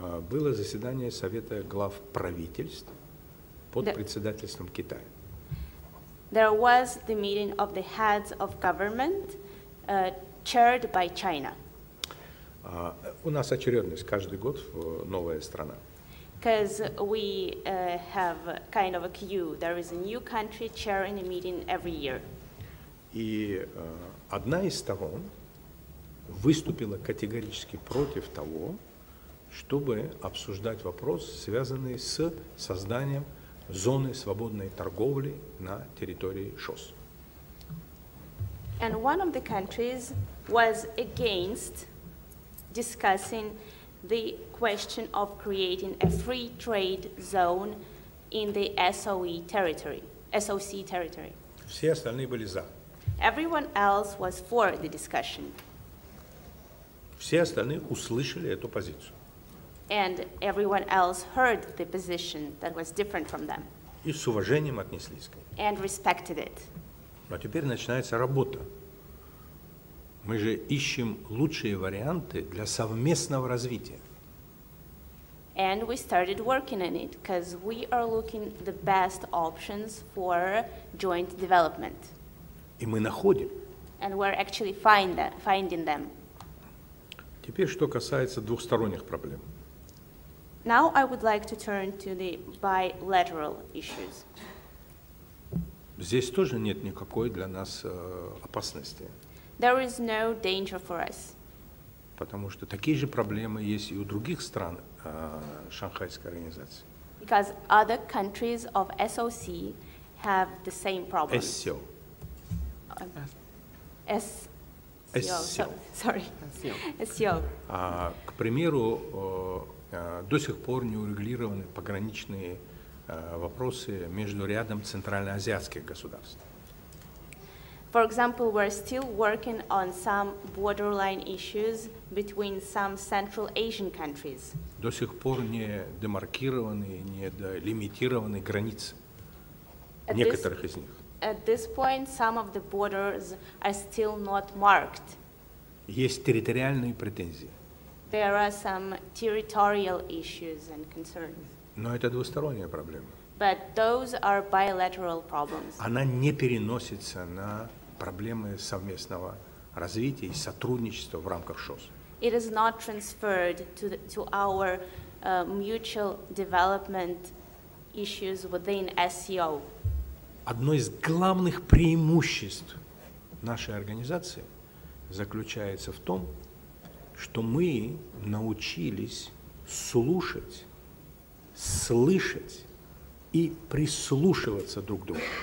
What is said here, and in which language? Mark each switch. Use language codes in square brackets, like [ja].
[ru] было заседание Совета глав правительств под председательством Китая. [en] There was the meeting of the heads of government chaired by China. [ru] У нас очередность каждый год в новая страна. [en] Because we have kind of a queue. There is a new country chairing a meeting every year. [ru] И одна из сторон выступила категорически против того, чтобы обсуждать вопрос, связанный с созданием зоны свободной торговли на территории ШОС. [en] And one of the countries was against discussing the question of creating a free trade zone in the SOE territory, SOC territory. [ru] Все остальные были за. [en] Everyone else was for the discussion. [ru] Все остальные услышали эту позицию. [en] And everyone else heard the position that was different from them. [ru] И с уважением отнеслись к ней. [en] And respected it. [ru] Но теперь начинается работа. Мы же ищем лучшие варианты для совместного развития. [en] And we started working on it because we are looking the best options for joint development. [ru] И мы находим. [en] And we're actually finding them. [ru] Теперь, что касается двухсторонних проблем. [en] Now I would like to turn to the bilateral issues. [ru] Здесь тоже нет никакой для нас опасности. [en] There is no danger for us. [ru] потому что такие же проблемы есть и у других стран Шанхайской организации. [en] Because other countries of SOC have the same problems. SCO. SCO. SCO. [ru] К примеру, до сих пор не урегулированы пограничные вопросы между рядом центральноазиатских государств. [en] For example, we're still working on some borderline issues between some Central Asian countries. [ru] До сих пор не демаркированы, не долимитированы границы некоторых из них. [en] At this point, some of the borders are still not marked. [ru] Есть территориальные претензии. [en] There are some territorial issues and concerns. [ru] Но это двусторонняя проблема. [en] But those are bilateral problems. [ru] Она не переносится на проблемы совместного развития и сотрудничества в рамках ШОС. [en] It is not transferred to our mutual development issues within SCO. [ru] Одно из главных преимуществ нашей организации заключается в том, что мы научились слушать, слышать и прислушиваться друг к другу.